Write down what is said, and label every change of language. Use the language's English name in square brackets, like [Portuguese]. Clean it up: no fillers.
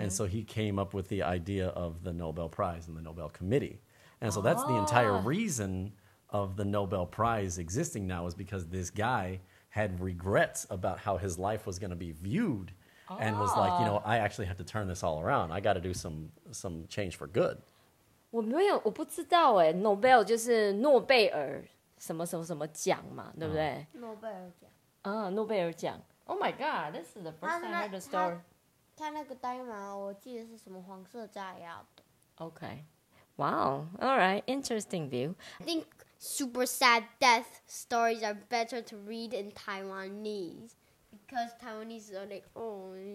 [English] and so he came up with the idea of the Nobel Prize and the Nobel Committee, and so that's the entire reason of the Nobel Prize existing now, is because this guy had regrets about how his life was going to be viewed, and was like, you know, I actually have to turn this all around. I got to do some change for good. [Chinese] 我不知道哎 ，Nobel 就是诺贝尔什么什么什么奖嘛，对不对？ Nobel 奖啊，诺贝尔奖。 [English] Oh my god, this is the first time I heard the story. [Chinese] 他那个代码我记得是什么黄色炸药的。 [English] Okay. Wow. Alright, interesting view. I think super sad death stories are better to read in Taiwanese. Because Taiwanese are like, oh.